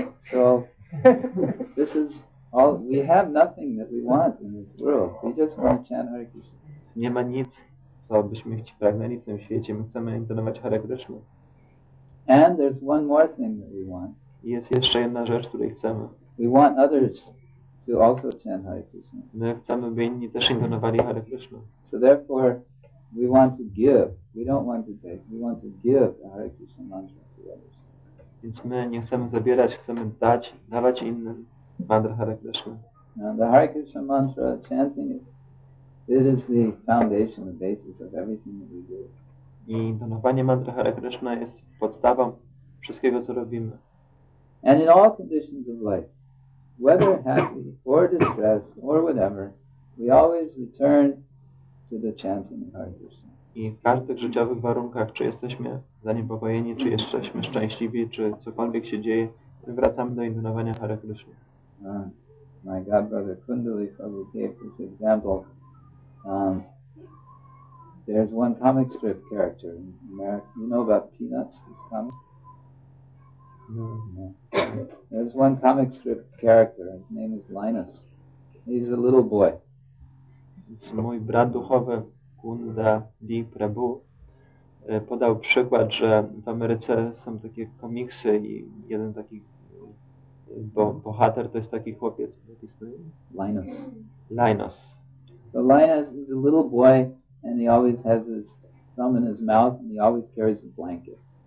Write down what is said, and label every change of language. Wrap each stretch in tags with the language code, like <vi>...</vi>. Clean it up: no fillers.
<en>So, this is all, we have nothing that we want in this world. We just want to chant Hare Krishna.</en> <pl>Nie ma nic, co byśmy pragnęli w tym świecie. My chcemy intonować Hare Krishna.</pl> <en>And there's one more thing that we want.</en> <pl>I jest jeszcze jedna rzecz, której chcemy.</pl> <en>We want others to also chant Hare Krishna.</en> <pl>My chcemy, by inni też intonowali Hare Krishna.</pl> <en>So therefore, we want to give. We don't want to take. We want to give the Hare Krishna mantra to others.</en> <pl>Więc my nie chcemy zabierać, chcemy dać, dawać innym mantra Hare Krishna.</pl> <en>Now the Hare Krishna mantra chanting, it is the foundation, the basis of everything that we do.</en> <pl>I intonowanie mantry Hare Krishna jest podstawą wszystkiego, co robimy.</pl> <en>And in all conditions of life, whether happy or distressed or whatever, we always return to the chanting of Hare Krishna.</en> <pl>I w każdych życiowych warunkach, czy jesteśmy zaniepokojeni, czy jesteśmy szczęśliwi, czy cokolwiek się dzieje, wracamy do intonowania Hare Krishna.</pl> <en>My God brother Kundali Prabhu gave this example. There's one comic strip character in America. You know about Peanuts, this comic? No. There's one comic strip character. His name is Linus. He's a little boy.</en> <pl>It's mój brat duchowy Kundali Prabhu podał przykład, że w Ameryce są takie komiksy i jeden taki bohater to jest taki chłopiec.</pl> <en>Linus. Linus. So Linus is a little boy and he always has his thumb in his mouth and he always carries a blanket.</en>